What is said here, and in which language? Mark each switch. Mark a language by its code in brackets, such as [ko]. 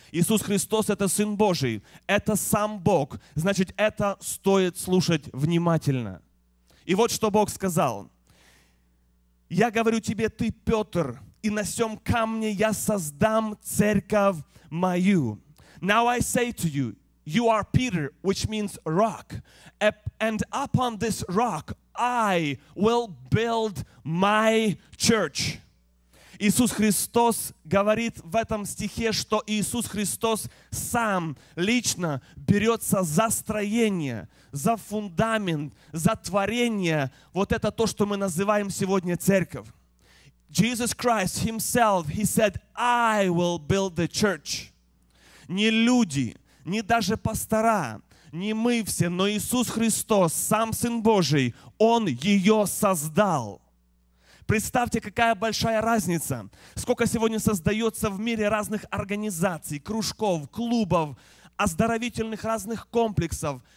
[ru] Иисус Христос – это Сын Божий. Это сам Бог. Значит, это стоит слушать внимательно. И вот что Бог сказал. «Я говорю тебе, ты Петр, и на сём камне я создам церковь мою». [en] «Now I say to you, you are Peter, which means rock, and upon this rock I will build my church». [ru] Иисус Христос говорит в этом стихе, что Иисус Христос сам лично берется за строение, за фундамент, за творение. Вот это то, что мы называем сегодня церковь. [en] Jesus Christ himself, he said, I will build the church. [ru] Не люди, не даже пастора, не мы все, но Иисус Христос, сам Сын Божий, Он ее создал. Представьте, какая большая разница. Сколько сегодня создается в мире разных организаций, кружков, клубов, оздоровительных разных комплексов.